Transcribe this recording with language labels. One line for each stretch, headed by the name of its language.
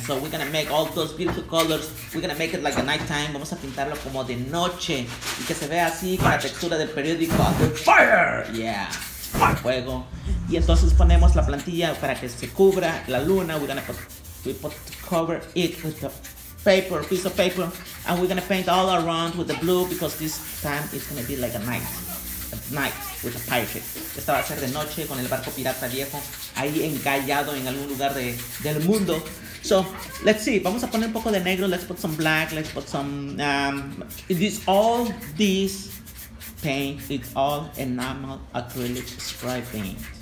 English: So we're gonna make all those beautiful colors. We're gonna make it like a nighttime.
Spanish: Vamos a pintarlo como de noche. Y que se vea así con la textura del periódico. Fire. Yeah. Fuego. Y entonces ponemos la plantilla para que se cubra la luna.
English: We're gonna put cover it with the paper, piece of paper, and we're gonna paint all around with the blue because this time it's gonna be like a night with a pirate.
Spanish: Esta va a ser de noche con el barco pirata viejo ahí encallado en algún lugar del mundo.
English: So let's see.
Spanish: Vamos a poner un poco de negro.
English: Let's put some black. Let's put some all this. Paint, it's all enamel acrylic spray paint.